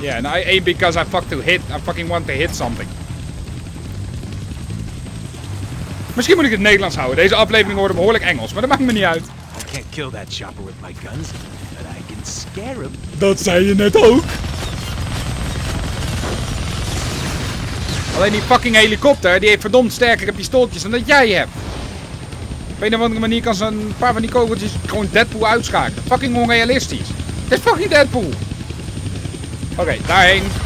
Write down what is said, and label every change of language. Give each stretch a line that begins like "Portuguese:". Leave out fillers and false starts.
English: Yeah, and I aim because I fucking want to hit something.
Dutch: Misschien moet ik het Nederlands houden. Deze aflevering wordt behoorlijk Engels, maar dat maakt me niet uit.
English: I can't kill that chopper with my guns, but I can scare him.
Dutch: Dat zei je net ook. Alleen die fucking helikopter, die heeft verdomd sterkere pistooltjes dan dat jij hebt. Op een of andere manier kan ze een paar van die kogeltjes gewoon Deadpool uitschakelen. Fucking onrealistisch. Dit is fucking Deadpool. Oké, daarheen.